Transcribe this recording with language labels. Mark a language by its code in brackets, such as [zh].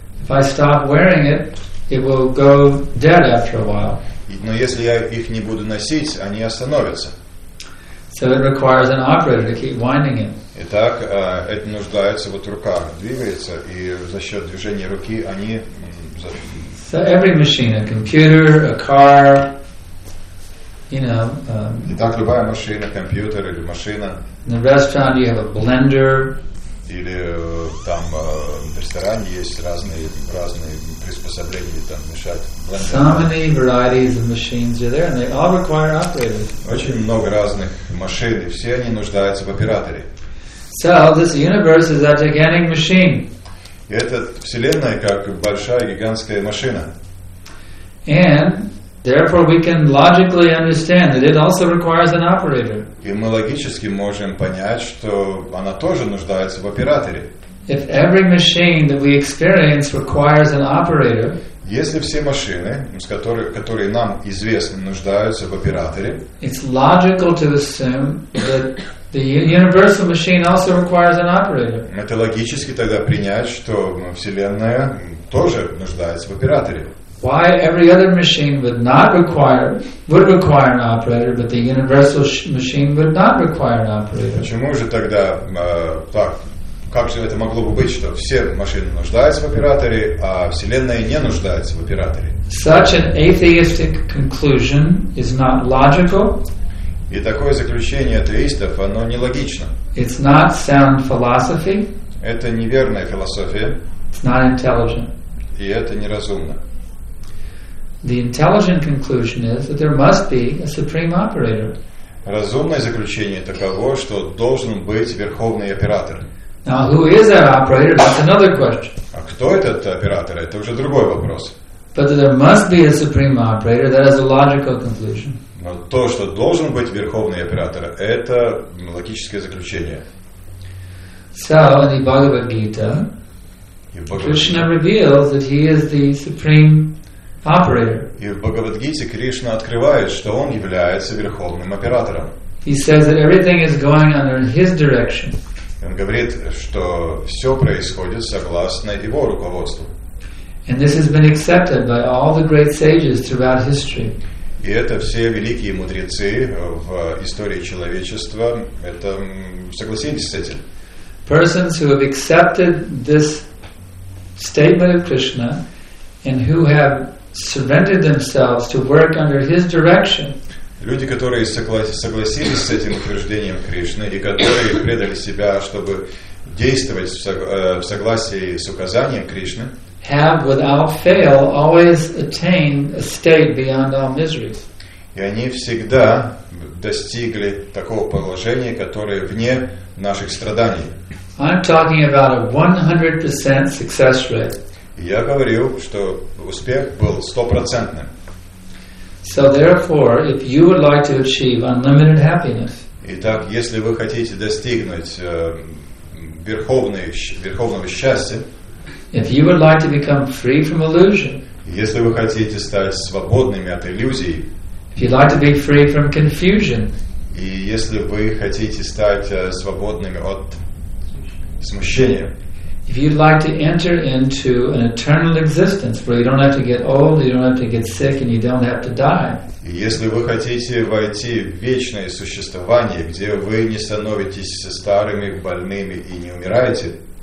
[en] If I stop wearing it, it will go dead after a while. [ru] Но если я их не буду носить, они остановятся. [en] So it requires an operator to keep winding it. [ru] Итак, это нуждается вот рука двигается и за счет движения руки они. [en] So every machine, a computer, a car, you know. [ru] Итак, любая машина, компьютер или машина. [en] In a restaurant, you have a blender. [ru] Или там в ресторане есть разные приспособления там мешать. [en] Blender. So many varieties of machines are there, and they all require operators. [ru] Очень много разных машин, и все они нуждаются в операторе. [en] So this universe is a gigantic machine. [ru] И эта вселенная как большая гигантская машина. [en] And therefore we can logically understand that it also requires an operator. [ru] И мы логически можем понять, что она тоже нуждается в операторе. [en] If every machine that we experience requires an operator, [ru] если все машины, которые нам известны, нуждаются в операторе, [en] it's logical to assume that the universal machine also requires an operator. [ru] Это логически тогда принять, что вселенная тоже нуждается в операторе. [en] Why every other machine would require an operator, but the universal machine would not require an operator? [ru] Почему же тогда так? Как же это могло бы быть, что все машины нуждаются в операторе, а вселенная не нуждается в операторе? [en] Such an atheistic conclusion is not logical. [ru] И такое заключение атеистов, оно нелогично. [en] It's not sound philosophy. [ru] Это неверная философия. [en] It's not intelligent. [ru] И это неразумно. [en] The intelligent conclusion is that there must be a supreme operator. [ru] Разумное заключение таково, что должен быть верховный оператор. [en] Now, who is that operator? That's another question. [ru] А кто этот оператор? Это уже другой вопрос. [en] But there must be a supreme operator. That is a logical conclusion. [ru] Но то, что должен быть верховный оператор, это логическое заключение. [en] So, in the Bhagavad Gita, Krishna reveals that he is the supreme operator. [ru] И в Бхагавад-гите Кришна открывает, что он является верховным оператором. [en] He says that everything is going under his direction. [ru] Он говорит, что все происходит согласно его руководству. [en] And this has been accepted by all the great sages throughout history. [ru] И это все великие мудрецы в истории человечества. Это согласились с этим. [en] Persons who have accepted this statement of Krishna and who have surrendered themselves to work under his direction. [ru] Люди, которые согласились с этим утверждением Кришны и которые предали себя, чтобы действовать в согласии с указанием Кришны, [en] have without fail always attained a state beyond all miseries. [ru] И они всегда достигли такого положения, которое вне наших страданий. [en] I'm talking about a 100% success rate. [ru] Я говорю, что успех был 100%. [en] So therefore, if you would like to achieve unlimited happiness, [ru] итак, если вы хотите достигнуть верховного счастья, [en] if you would like to become free from illusion, [ru] если вы хотите стать свободными от иллюзий, [en] if you'd like to be free from confusion, [ru] и если вы хотите стать свободными от смущения, [en] if you'd like to enter into an eternal existence where you don't have to get old, you don't have to get sick, and you don't have to die. [ru] Если вы хотите войти в вечное существование, где вы не становитесь старыми, больными и не умираете,